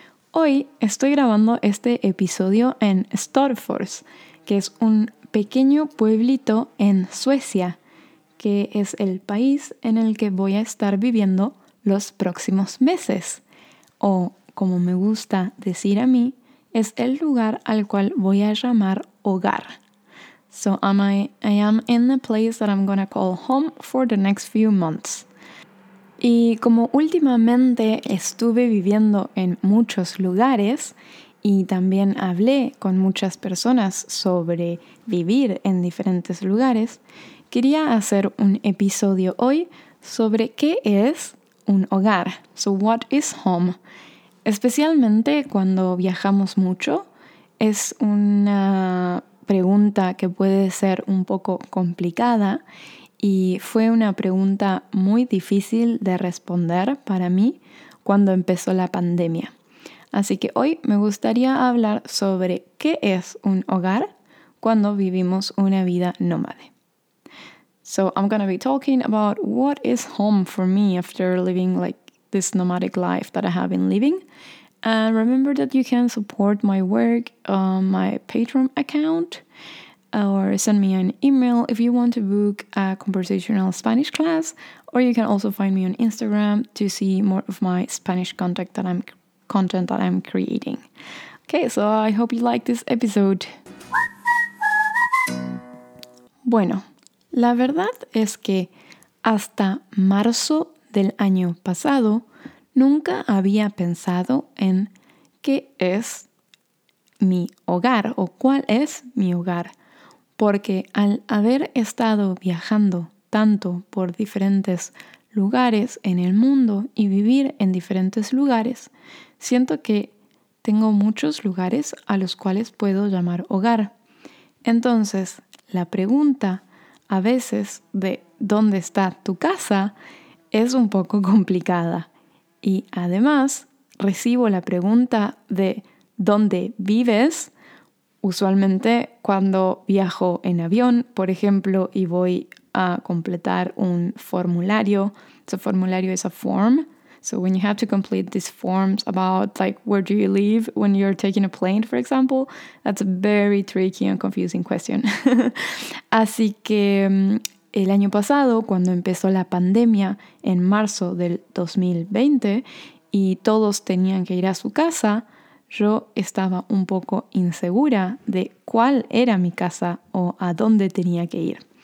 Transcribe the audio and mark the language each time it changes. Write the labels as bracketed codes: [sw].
[es] Hoy estoy grabando este episodio en Storfors, que es un pequeño pueblito en Suecia, que es el país en el que voy a estar viviendo los próximos meses, o como me gusta decir a mí, es el lugar al cual voy a llamar hogar. [en] So I am in the place that I'm gonna call home for the next few months. [es] Y como últimamente estuve viviendo en muchos lugares y también hablé con muchas personas sobre vivir en diferentes lugares, quería hacer un episodio hoy sobre qué es un hogar. [en] So what is home? [es] Especialmente cuando viajamos mucho, es una pregunta que puede ser un poco complicada y fue una pregunta muy difícil de responder para mí cuando empezó la pandemia. Así que hoy me gustaría hablar sobre qué es un hogar cuando vivimos una vida nómade. [en] So I'm gonna be talking about what is home for me after living like this nomadic life that I have been living. And remember that you can support my work on my Patreon account or send me an email if you want to book a conversational Spanish class, or you can also find me on Instagram to see more of my Spanish content that I'm creating. Okay, so I hope you like this episode. [es] Bueno, la verdad es que hasta marzo del año pasado nunca había pensado en qué es mi hogar o cuál es mi hogar, porque al haber estado viajando tanto por diferentes lugares en el mundo y vivir en diferentes lugares, siento que tengo muchos lugares a los cuales puedo llamar hogar. Entonces, la pregunta a veces de dónde está tu casa es un poco complicada. Y además, recibo la pregunta de dónde vives, usualmente cuando viajo en avión, por ejemplo, y voy a completar un formulario. [en] So, formulario is a form. So, when you have to complete these forms about, like, where do you live when you're taking a plane, for example, that's a very tricky and confusing question. [es] Así que el año pasado, cuando empezó la pandemia en marzo del 2020 y todos tenían que ir a su casa, yo estaba un poco insegura de cuál era mi casa o a dónde tenía que ir.